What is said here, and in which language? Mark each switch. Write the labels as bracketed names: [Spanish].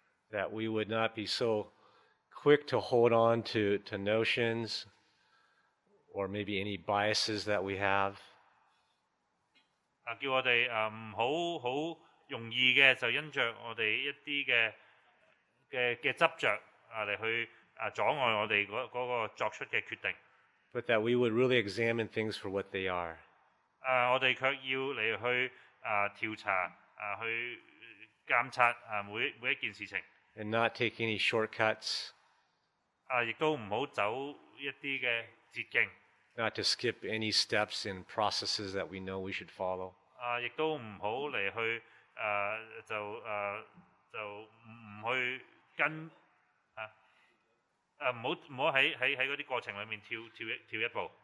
[English] That we would not be so quick to hold on to notions or maybe any biases that we have. [Cantonese] 叫我哋唔好好容易嘅就因着我哋一啲嘅執著嚟去阻礙我哋嗰個作出嘅決定。 [English] but that we would really examine things for what they are. [Cantonese] 我哋卻要嚟去調查去監察每一件事情。 [English] And not take any shortcuts. [Cantonese] 亦都唔好走一啲嘅捷徑。 [English] Not to skip any steps in processes that we know we should follow. [Cantonese] 亦都唔好嚟去就唔去跟唔好喺嗰啲過程裡面跳一步。